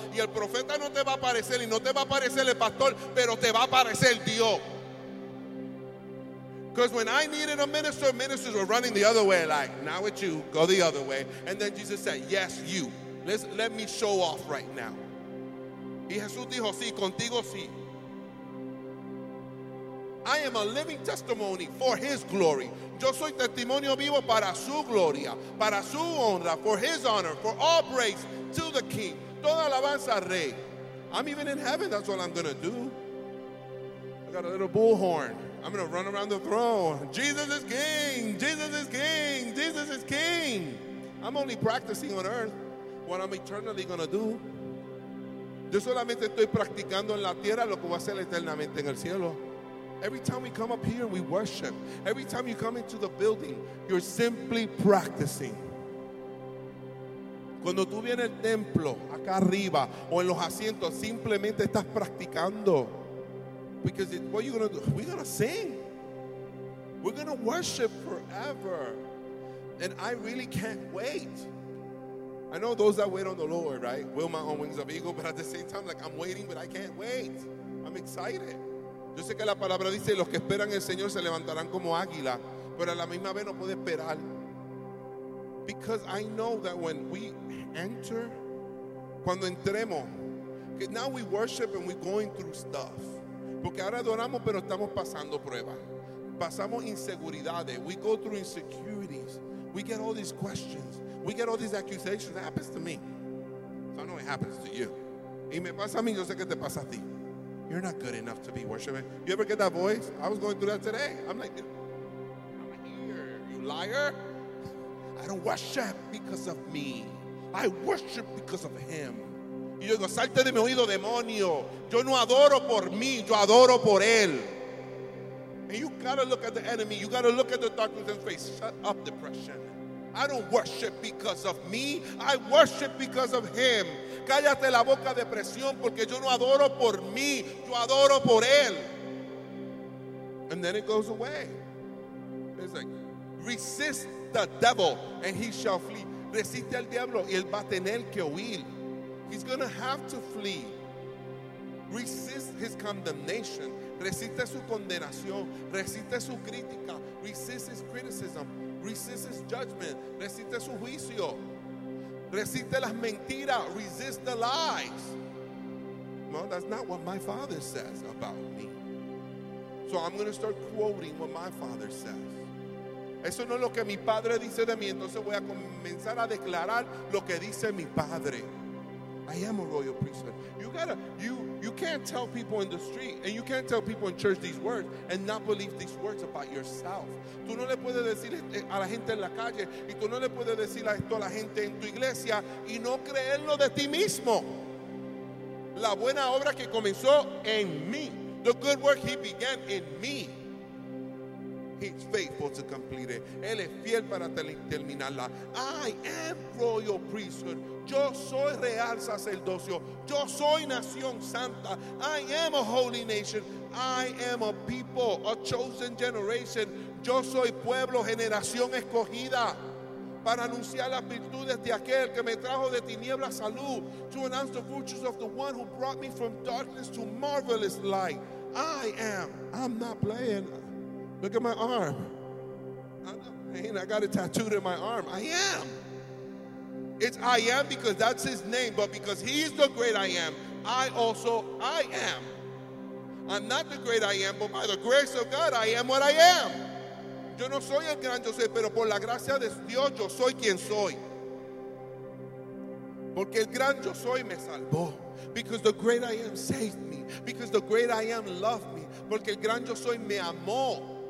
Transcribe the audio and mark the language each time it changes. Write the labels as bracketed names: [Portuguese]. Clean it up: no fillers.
[Spanish] Y el profeta no te va a aparecer, y no te va a aparecer el pastor, pero te va a aparecer Dios. [English] Because when I needed a minister, ministers were running the other way, like, not with you, go the other way. And then Jesus said, yes, you. Let me show off right now. [Spanish] Y Jesús dijo, sí, contigo sí. [English] I am a living testimony for his glory. [Spanish] Yo soy testimonio vivo para su gloria, para su honra, [English] for his honor, for all praise to the king. [Spanish] Toda alabanza al rey. [English] I'm even in heaven. That's what I'm going to do. I got a little bullhorn. I'm going to run around the throne. Jesus is king. Jesus is king. Jesus is king. I'm only practicing on earth what I'm eternally going to do. [Spanish] Yo solamente estoy practicando en la tierra lo que voy a hacer eternamente en el cielo. [English] Every time we come up here and we worship, every time you come into the building, you're simply practicing. [Spanish] Cuando tú vienes al templo, acá arriba, o en los asientos, simplemente estás practicando. [English] Because it, what are you going to do? We're going to sing. We're going to worship forever. And I really can't wait. I know those that wait on the Lord, right? Will my own wings of eagle, but at the same time, like, I'm waiting, but I can't wait. I'm excited. [Spanish] Yo sé que la palabra dice, los que esperan el Señor se levantarán como águila, pero a la misma vez no puede esperar. [English] Because I know that when we enter, [Spanish] cuando entremos, [English] que now we worship and we're going through stuff. [Spanish] Porque ahora adoramos, pero estamos pasando pruebas. Pasamos inseguridades. [English] We go through insecurities. We get all these questions. We get all these accusations. It happens to me. So I know it happens to you. [Spanish] Y me pasa a mí, yo sé que te pasa a ti. [English] You're not good enough to be worshiping. You ever get that voice? I was going through that today. I'm like, I'm here, you liar. I don't worship because of me. I worship because of him. [Spanish] Y yo digo, salte de mi oído, demonio. Yo no adoro por mí, yo adoro por él. [English] And you gotta look at the enemy. You gotta look at the darkness in his face. Shut up, depression. I don't worship because of me. I worship because of him. [Spanish] Cállate la boca, depresión, porque yo no adoro por mí. Yo adoro por él. [English] And then it goes away. It's like, resist the devil and he shall flee. [Spanish] Resiste al diablo y él va a tener que huir. [English] He's going to have to flee. Resist his condemnation. [Spanish] Resiste su condenación. Resiste su crítica. [English] Resist his criticism. Resist his judgment. [Spanish] Resiste su juicio. Resiste las mentiras. [English] Resist the lies. Well, that's not what my father says about me. So I'm going to start quoting what my father says. [Spanish] Eso no es lo que mi padre dice de mí. Entonces voy a comenzar a declarar lo que dice mi padre. [English] I am a royal priesthood. You can't tell people in the street and you can't tell people in church these words and not believe these words about yourself. [Spanish] Tú no le puedes decir a la gente en la calle y tú no le puedes decir esto a la gente en tu iglesia y no creerlo de ti mismo. La buena obra que comenzó en mí. [English] The good work he began in me. He's faithful to complete it. [Spanish] Él es fiel para terminarla. [English] I am royal priesthood. [Spanish] Yo soy real sacerdocio. Yo soy nación santa. [English] I am a holy nation. I am a people, a chosen generation. [Spanish] Yo soy pueblo, generación escogida. Para anunciar las virtudes de aquel que me trajo de tinieblas a luz. [English] To announce the virtues of the one who brought me from darkness to marvelous light. I am. I'm not playing. Look at my arm. I got it tattooed in my arm. I am. It's I am because that's his name, but because he's the great I am, I am. I'm not the great I am, but by the grace of God, I am what I am. [Spanish] Yo no soy el gran yo soy, pero por la gracia de Dios, yo soy quien soy. Porque el gran yo soy me salvó. [English] Because the great I am saved me. Because the great I am loved me. [Spanish] Porque el gran yo soy me amó.